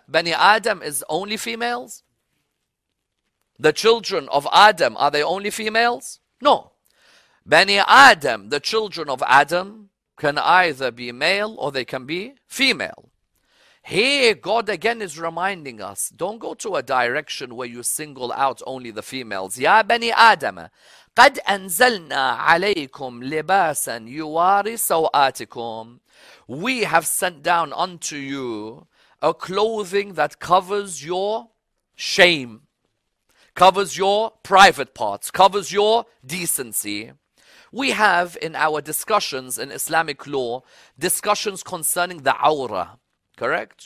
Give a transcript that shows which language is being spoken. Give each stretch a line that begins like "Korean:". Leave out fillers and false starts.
English: Bani Adam is only females? The children of Adam, are they only females? No. Bani Adam, the children of Adam, can either be male or they can be female. Here, God again is reminding us, don't go to a direction where you single out only the females.
Arabic: Ya Bani Adam, قَدْ أَنزَلْنَا عَلَيْكُمْ لِبَاسًا يُوَارِي سَوْآتِكُمْ.
English: We have sent down unto you a clothing that covers your shame, covers your private parts, covers your decency. We have in our discussions in Islamic law, discussions concerning the awra, correct?